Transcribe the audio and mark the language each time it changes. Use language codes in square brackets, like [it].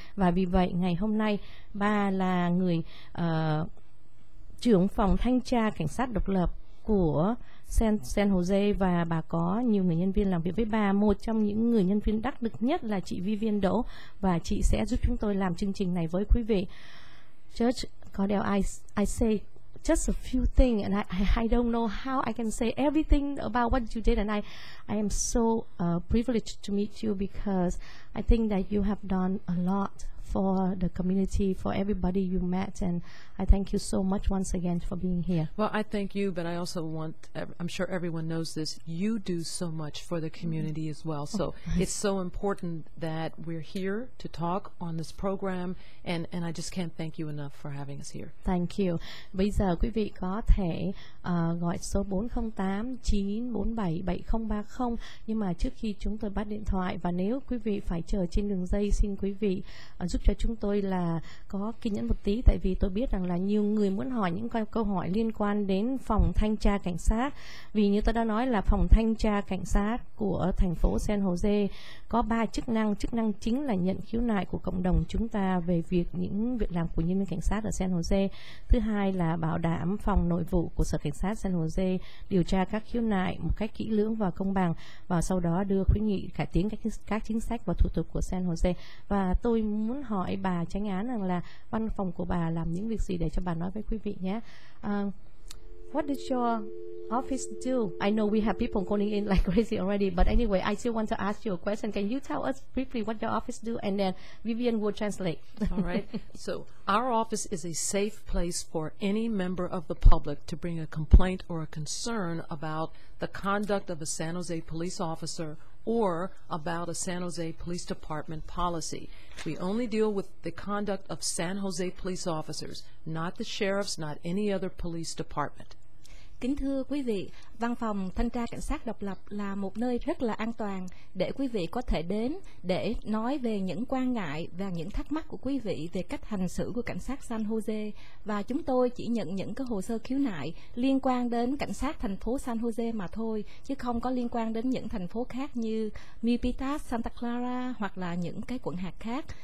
[vi] Và vì vậy ngày hôm nay bà là người trưởng phòng thanh tra cảnh sát độc lập của San Jose, và bà có nhiều người nhân viên làm việc với bà. Một trong những người nhân viên đắc lực nhất là chị Vivian Đỗ, và chị sẽ giúp chúng tôi làm chương trình này với quý vị. [en] Judge Cordell, I say just a few things, and I don't know how I can say everything about what you did, and I am so privileged to meet you, because I think that you have done a lot for the community, for everybody you met, and I thank you so much once again for being here. Well, I thank you, but I also want, I'm sure everyone knows this, you do so much for the community as well. So it's so important that we're here to talk on this program, and I just can't thank you enough for having us here. Thank you. [vi] Bây giờ quý vị có thể gọi số 408-947-7030, nhưng mà trước khi chúng tôi bắt điện thoại, và nếu quý vị phải chờ trên đường dây, xin quý vị giúp giúp cho chúng tôi là có kinh nghiệm một tí, tại vì tôi biết rằng là nhiều người muốn hỏi những câu hỏi liên quan đến phòng thanh tra cảnh sát. Vì như tôi đã nói là phòng thanh tra cảnh sát của thành phố San Jose có ba chức năng. Chức năng chính là nhận khiếu nại của cộng đồng chúng ta về việc những việc làm của nhân viên cảnh sát ở San Jose. Thứ hai là bảo đảm phòng nội vụ của Sở Cảnh sát San Jose điều tra các khiếu nại một cách kỹ lưỡng và công bằng, và sau đó đưa khuyến nghị cải tiến các chính sách và thủ tục của San Jose. Và tôi muốn hỏi bà chánh án rằng là văn phòng của bà làm những việc gì để cho bà nói với quý vị nhé. [en] What does your office do? I know we have people calling in like crazy already, but anyway, I still want to ask you a question. Can you tell us briefly what your office do, and then Vivian will translate. All right. So our office is a safe place for any member of the public to bring a complaint or a concern about the conduct of a San Jose police officer or about a San Jose Police Department policy. We only deal with the conduct of San Jose police officers, not the sheriffs, not any other police department. [vi] Kính thưa quý vị, văn phòng thanh tra cảnh sát độc lập là một nơi rất là an toàn để quý vị có thể đến để nói về những quan ngại và những thắc mắc của quý vị về cách hành xử của cảnh sát San Jose. Và chúng tôi chỉ nhận những cái hồ sơ khiếu nại liên quan đến cảnh sát thành phố San Jose mà thôi, chứ không có liên quan đến những thành phố khác như Milpitas, Santa Clara hoặc là những cái quận hạt khác.